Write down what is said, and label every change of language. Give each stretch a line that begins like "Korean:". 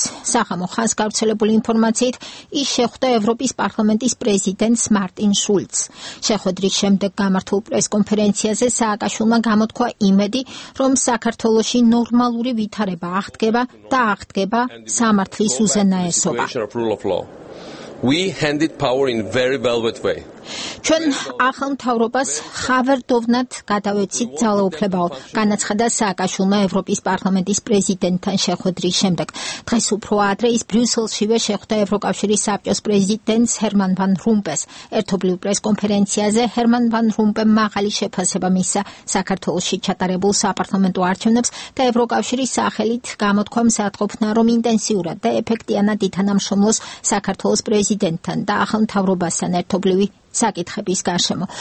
Georgian: სახამო ხაზს გავრცელებული ინფორმაციით, ის შეხვდა ევროპის პარლამენტის პრეზიდენტს მარტინ შულცს. შეხვედრის შემდეგ გამართულ პრესკონფერენციაზე სააკაშვილმა გამოთქვა იმედი, რომ საქართველოში ნორმალური ვითარება აღდგება და აღდგება სამართლის უზენაესობა.
English: We handed power in very velvet way.
Georgian: ჩვენ ახალ მთავრობას ხავერდოვნად გადავეცით ძალაუფლებაო, განაცხადა სააკაშვილმა ევროპის პარლამენტის პრეზიდენტთან შეხვედრის შემდეგ. დღეს უფრო ადრე ის ბრიუსელშივე შეხვდა ევროკავშირის საბჭოს პრეზიდენტს ჰერმან ვან რუმპეს. ერთობლივ პრესკონფერენციაზე ჰერმან ვან რუმპემ მაღალი შეფასება მისცა საქართველოში ჩატარებულ საპარლამენტო არჩევნებს და ევროკავშირის სახელით გამოთქვა მსაჯულთა, რომ ინტენსიურად და ეფექტიანად ითანამშრომლოს საქართველოს პრეზიდენტთან და ახალ მთავრობასთან ერთობლივი საკითხების გარშემო.